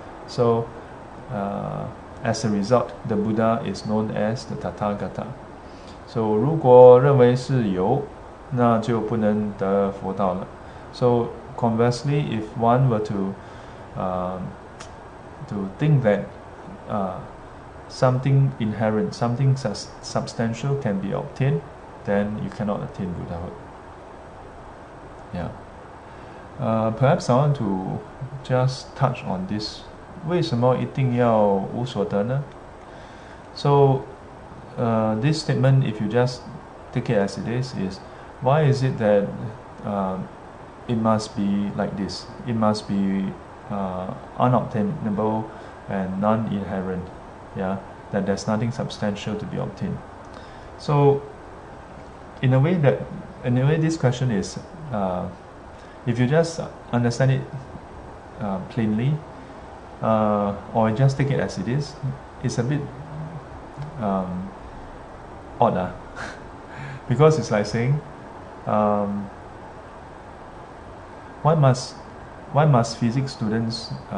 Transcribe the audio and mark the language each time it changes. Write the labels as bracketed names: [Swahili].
[English] So as a result, the Buddha is known as the Tathagata. [Chinese] So, 如果认为是有, 那就不能得佛道了. [English] So, conversely, if one were to think that something inherent, something substantial can be obtained, then you cannot attain Buddhahood. Yeah. Perhaps I want to just touch on this. [Chinese] 为什么一定要无所得呢? [English] So, this statement, if you just take it as it is why is it that it must be like this? It must be unobtainable and non-inherent, yeah? That there's nothing substantial to be obtained. So, in a way, this question is, if you just understand it plainly, or just take it as it is, it's a bit odd, because it's like saying, why must physics students,